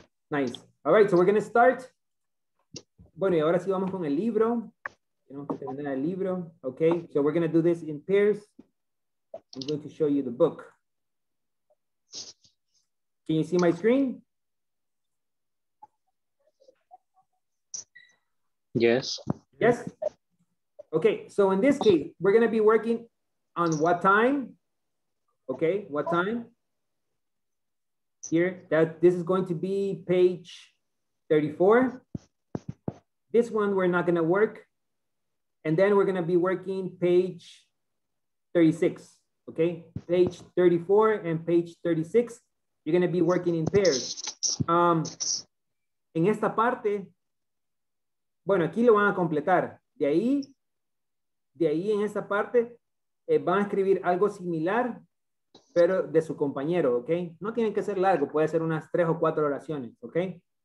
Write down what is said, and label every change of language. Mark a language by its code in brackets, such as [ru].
[en] Nice. All right, so we're going to start. [es] Bueno, y ahora sí vamos con el libro. Tenemos que terminar el libro. [en] Okay, so we're going to do this in pairs. I'm going to show you the book. Can you see my screen? Yes. Yes? Okay, so in this case, we're going to be working on what time? Okay, what time? Here, this is going to be page 34. This one, we're not gonna work. And then we're gonna be working page 36, okay? Page 34 and page 36, you're gonna be working in pairs. [es] En esta parte, bueno, aquí lo van a completar. De ahí en esta parte, van a escribir algo similar, pero de su compañero, okay? No tienen que ser largo, puede ser unas 3 o 4 oraciones, okay?